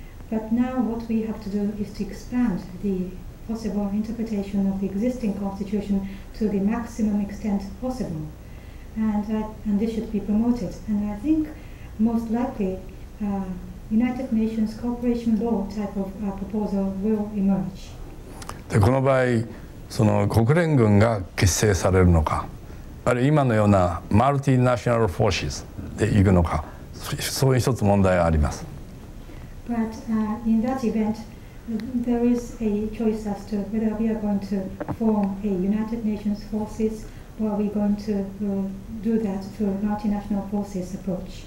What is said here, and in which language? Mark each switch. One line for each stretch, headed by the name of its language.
English: But now what we have to do is to expand the possible interpretation of the existing constitution to the maximum extent possible. And this should be promoted. And I think most likely, United Nations Cooperation Law type of proposal will emerge.
Japanese: で、この場合、その国連軍が結成されるのか、あるいは今のようなマルティナショナルフォーシスで行くのか、そういう一つ問題があります。
English: But in that event, there is a choice as to whether we are going to form a United Nations forces or are we going to do that through multinational forces approach.